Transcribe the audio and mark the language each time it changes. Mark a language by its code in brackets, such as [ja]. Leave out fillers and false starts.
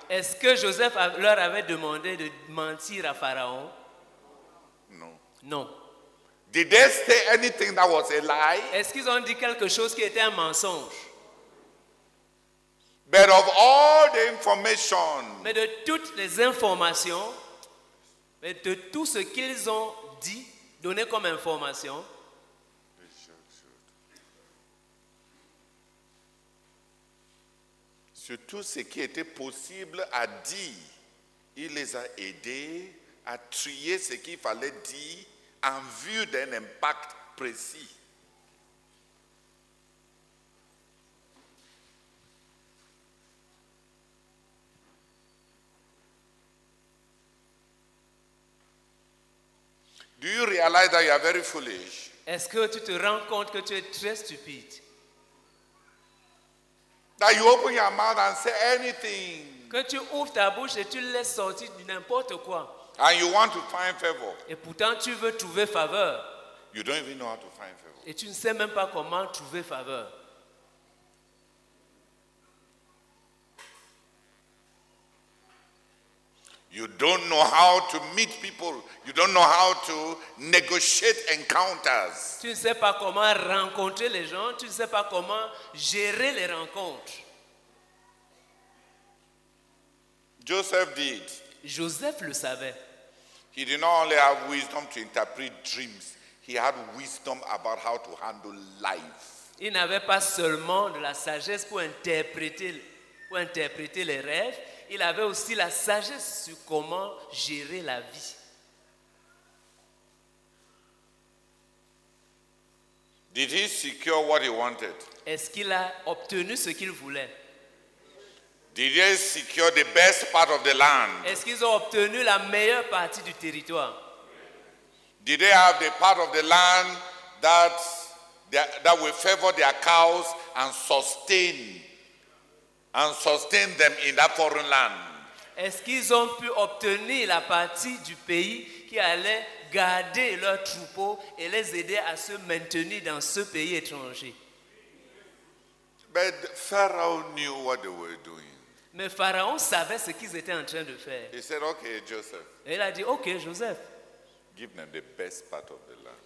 [fr] Est-ce que Joseph leur avait demandé de mentir à Pharaon? [en] No. [fr] Non. [en] Did they say anything that was a lie? [fr] Est-ce qu'ils ont dit quelque chose qui était un mensonge? [en] But of all the information, [fr] mais de toutes les informations, mais de tout ce qu'ils ont dit, donné comme information, sur tout ce qui était possible à dire, il les a aidés à trier ce qu'il fallait dire en vue d'un impact précis. [en] Do you realize that you are very foolish? [fr] Est-ce que tu te rends compte que tu es très stupide? [en] That you open your mouth and say anything. [fr] Que tu ouvres ta bouche et tu laisses sortir n'importe quoi. [en] And you want to find favor. [fr] Et pourtant tu veux trouver faveur. [en] You don't even know how to find favor. [fr] Et tu ne sais même pas comment trouver faveur. [en] You don't know how to meet people. You don't know how to negotiate encounters. [fr] Tu ne sais pas comment rencontrer les gens. Tu ne sais pas comment gérer les rencontres. [en] Joseph did. [fr] Joseph le savait. [en] He did not only have wisdom to interpret dreams. He had wisdom about how to handle life. [fr] Il n'avait pas seulement de la sagesse pour interpréter les rêves. Il avait aussi la sagesse sur comment gérer la vie. [en] Did he secure what he wanted? [fr] Est-ce qu'il a obtenu ce qu'il voulait? [en] Did he secure the best part of the land? [fr] Est-ce qu'ils ont obtenu la meilleure partie du territoire? [en] Did they have the part of the land that will favor their cows and sustain them in that foreign land? [fr] Est-ce qu'ils ont pu obtenir la partie du pays qui allait garder leurs troupeaux et les aider à se maintenir dans ce pays étranger? [en] But Pharaoh knew what they were doing. [fr] Mais Pharaon savait ce qu'ils étaient en train de faire. [en] He said, "Okay, Joseph." [fr] Et il a dit, "Ok, Joseph." [en] Give them the best part of the land.